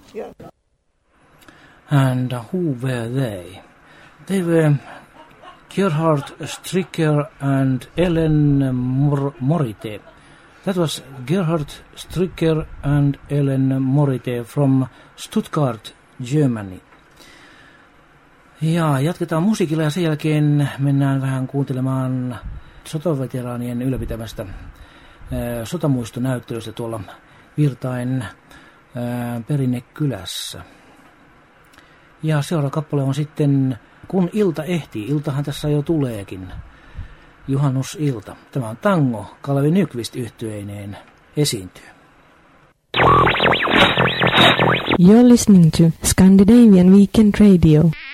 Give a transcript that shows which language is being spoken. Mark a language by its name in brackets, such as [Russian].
[English] Yeah. And who were they? They were Gerhard Stricker and Ellen Morite. That was Gerhard Stricker and Ellen Morite from Stuttgart, Germany. [Finnish] Ja jatketaan musiikilla ja sen jälkeen mennään vähän kuuntelemaan sotaveteraanien ylläpitämästä sotamuistonäyttelystä tuolla Virtain perinnekylässä. Ja seuraava kappale on sitten Kun ilta ehtii. Iltahan tässä jo tuleekin. Juhannusilta. Tämä on tango. Kalevi Nykvist -yhtyeineen esiintyy. [English] You're listening to Scandinavian Weekend Radio.